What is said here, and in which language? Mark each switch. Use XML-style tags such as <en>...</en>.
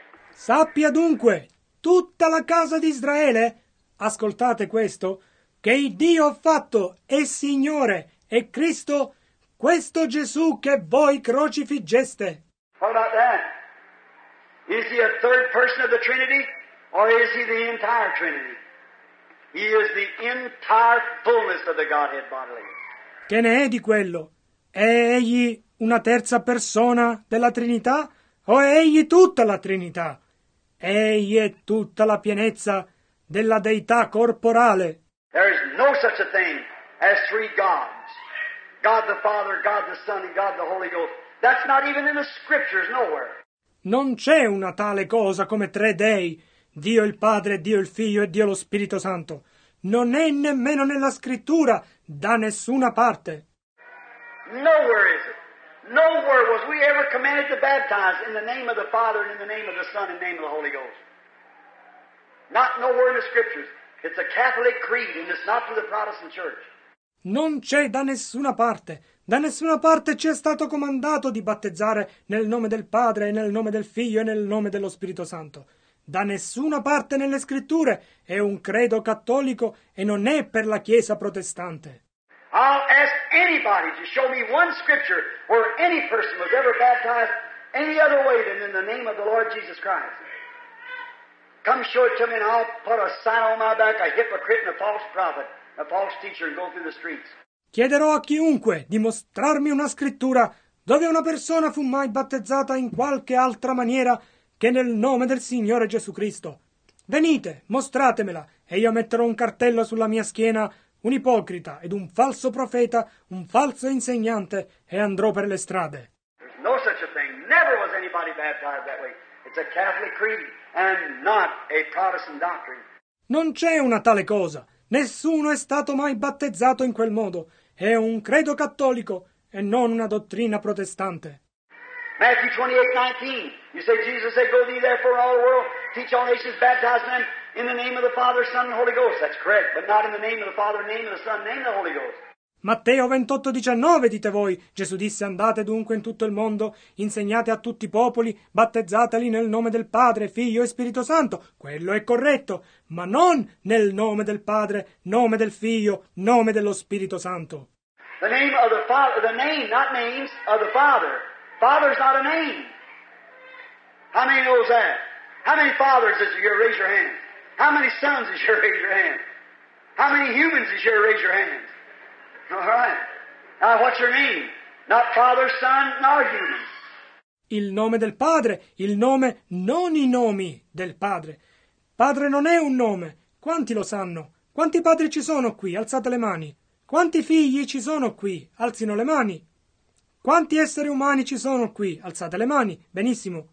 <it>Sappia dunque, tutta la casa di Israele, ascoltate questo, che il Dio ha fatto e Signore e Cristo, questo Gesù che voi crocifiggeste.</it> <en>What about that? Is he a third person of the Trinity or is he the entire Trinity? He is the entire fullness of the Godhead bodily.</en> <it>Che ne è di quello? È egli una terza persona della Trinità o è egli tutta la Trinità? Egli è tutta la pienezza della Deità corporale.</it> <en>There is no such a thing as three gods. God the Father, God the Son, and God the Holy Ghost. That's not even in the scriptures, nowhere.</en> <it>Non c'è una tale cosa come tre dei, Dio il Padre, Dio il Figlio e Dio lo Spirito Santo. Non è nemmeno nella scrittura, da nessuna parte.</it> <en>Nowhere is it. Nowhere was we ever commanded to baptize in the name of the Father and in the name of the Son and in the name of the Holy Ghost. Not nowhere in the scriptures. It's a Catholic creed and it's not for the Protestant church.</en> <it>Non c'è da nessuna parte. Da nessuna parte ci è stato comandato di battezzare nel nome del Padre e nel nome del Figlio e nel nome dello Spirito Santo. Da nessuna parte nelle scritture è un credo cattolico e non è per la Chiesa protestante.</it> <en>I'll ask anybody to show me one scripture where any person was ever baptized any other way than in the name of the Lord Jesus Christ. Come show it to me and I'll put a sign on my back, a hypocrite and a false prophet, a false teacher, and go through the streets.</en> <it>Chiederò a chiunque di mostrarmi una scrittura dove una persona fu mai battezzata in qualche altra maniera che nel nome del Signore Gesù Cristo. Venite, mostratemela, e io metterò un cartello sulla mia schiena, un ipocrita ed un falso profeta, un falso insegnante, e andrò per le strade.</it> <en>There's no such a thing. Never was anybody baptized that way. It's a Catholic creed and not a Protestant doctrine.</en> <it>Non c'è una tale cosa. Nessuno è stato mai battezzato in quel modo. È un credo cattolico e non una dottrina protestante.</it> <en>Matthew 28:19. You say Jesus said, go thee therefore all the world, teach all nations, baptize them in the name of the Father, Son, and Holy Ghost. That's correct, but not in the name of the Father, name of the Son, name of the Holy Ghost.</en> <it>Matteo 28:19, dite voi, Gesù disse, andate dunque in tutto il mondo, insegnate a tutti i popoli, battezzateli nel nome del Padre, Figlio e Spirito Santo. Quello è corretto, ma non nel nome del Padre, nome del Figlio, nome dello Spirito Santo.</it> <en>The name of the Father, the name, not names, of the Father. Father's not a name. How many knows that? How many fathers is your raise your hand? How many sons is your raise your hand? How many humans is your raise your hand? All right. Now what's your name? Not father, son, nor human.</en> <it>Il nome del Padre, il nome, non i nomi del Padre. Padre non è un nome. Quanti lo sanno? Quanti padri ci sono qui? Alzate le mani. Quanti figli ci sono qui? Alzino le mani. Quanti esseri umani ci sono qui? Alzate le mani. Benissimo.</it>